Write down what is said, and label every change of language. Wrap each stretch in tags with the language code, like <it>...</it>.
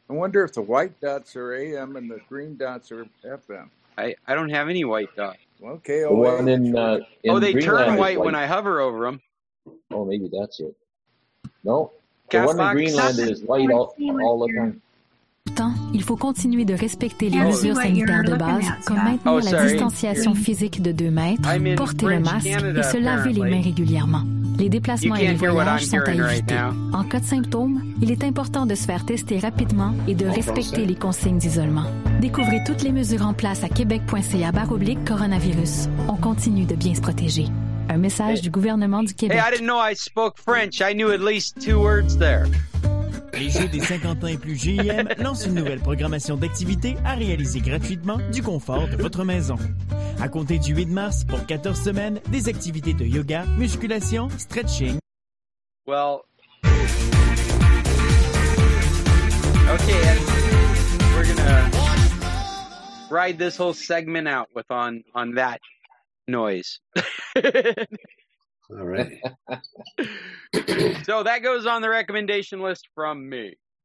<en>I wonder if the white dots are AM and the green dots are FM. I don't have any white dots. Okay. They turn white when I hover over them. Oh, maybe that's it. No. The one in Greenland is white all the time.</en> <fr>Il faut continuer de respecter les mesures sanitaires de base, comme maintenir la distanciation physique de 2 mètres, porter le masque et se laver les mains régulièrement. Les déplacements et les voyages sont à éviter. En cas de symptômes, il est important de se faire tester rapidement et de respecter les consignes d'isolement. Découvrez toutes les mesures en place à québec.ca/coronavirus. On continue de bien se protéger. Un message du gouvernement du Québec.</fr> <en>Hey, I didn't know I spoke French. I knew at least 2 words there.</en> <fr>Les Jeux des 50 ans et plus GIM lancent une nouvelle programmation d'activités à réaliser gratuitement du confort de votre maison. À compter du 8 mars, pour 14 semaines, des activités de yoga, musculation, stretching.</fr> <en>Well. Okay, we're gonna ride this whole segment out with on that noise. All right. So that goes on the recommendation list from me.</en>